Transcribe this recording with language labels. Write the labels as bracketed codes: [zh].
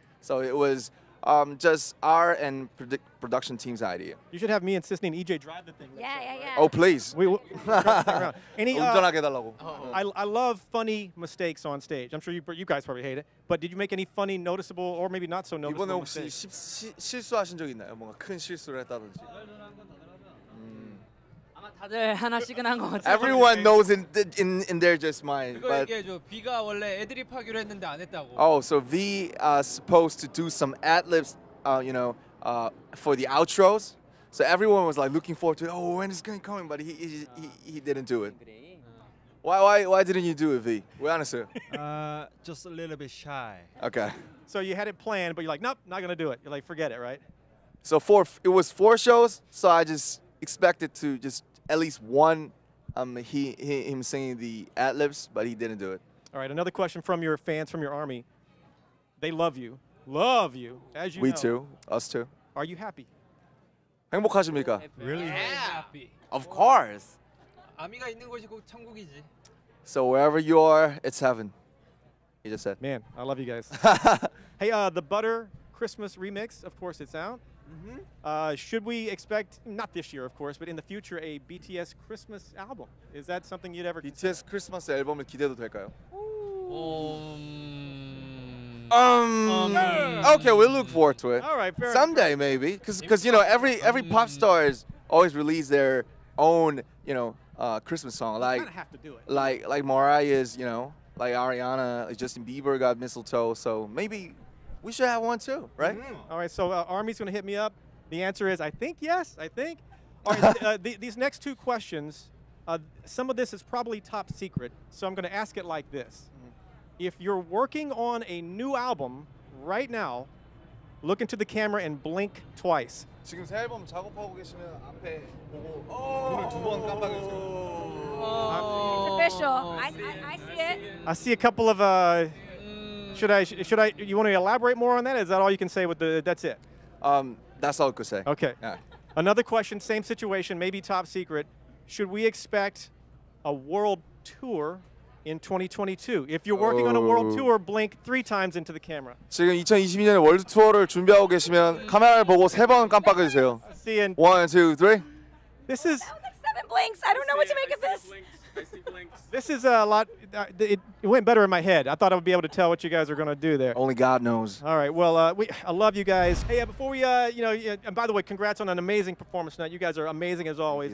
[en] So it was just our and production team's idea. You should have me and Sisney and EJ drive the thing. Yeah. Oh, please. I love funny mistakes on stage. I'm sure you guys probably hate it. But did you make any funny, noticeable, or maybe not so noticeable mistakes? [ko] 이번에 혹시 실수하신 적 있나요? 뭔가 큰 실수를 했다든지. 다들 하나씩은 한 것 같아요. [en] Everyone knows in their just mind. [ko] 그거 얘기해줘. V가 원래 애드립 하기로 했는데 안 했다고. [en] Oh, so V supposed to do some ad-libs, for the outros. So everyone was like looking forward to it. Oh, when is it coming? But he didn't do it. Why didn't you do it, V? We honestly. Just a little bit shy. Okay. So you had it planned, but you're like, nope, not gonna do it. You're like, forget it, right? So it was four shows. So I just expected to just at least one him singing the ad-libs, but he didn't do it. All right, another question from your fans, from your army. They love you, as you we know. We too, us too. Are you happy? [ko] 행복하십니까? [en] Really? Yeah. Happy. Of course. [ko] 아미가 있는 곳이 곧 천국이지. [en] So wherever you are, it's heaven, he just said. Man, I love you guys. Hey, the Butter Christmas remix, of course it's out. Mm-hmm. Should we expect, not this year of course, but in the future, a BTS Christmas album? Is that something you'd ever consider? BTS Christmas album 기대도 될까요? Okay, we'll look forward to it. All right, fair. Someday fair. Maybe, because you know, every pop star is always release their own, you know, Christmas song. Like, kind of have to do it. Like Mariah's, you know, like Ariana, like Justin Bieber got Mistletoe, so maybe we should have one too, right? Mm-hmm. All right, so Army's gonna hit me up. The answer is, I think yes. All right, these next two questions, some of this is probably top secret, so I'm gonna ask it like this. If you're working on a new album right now, look into the camera and blink twice. [ko] 지금 새 앨범 작업하고 계시면 앞에 보고 눈을 두 번 깜빡여서. [en] It's official. I see it. I see a couple of Should I? You want to elaborate more on that? Is that all you can say? That's it. That's all I could say. Okay. Yeah. Another question. Same situation. Maybe top secret. Should we expect a world tour in 2022? If you're working on a world tour, blink 3 times into the camera. [ko] 지금 2022년에 월드 투어를 준비하고 계시면 카메라를 보고 세 번 깜빡여주세요. [en] See you. 1, 2, 3. This is. That was like 7 blinks. I don't know what to make of this. This is a lot. It went better in my head. I thought I would be able to tell what you guys are going to do there. Only God knows. All right. Well, I love you guys. Hey, before we, and by the way, congrats on an amazing performance tonight. You guys are amazing as always.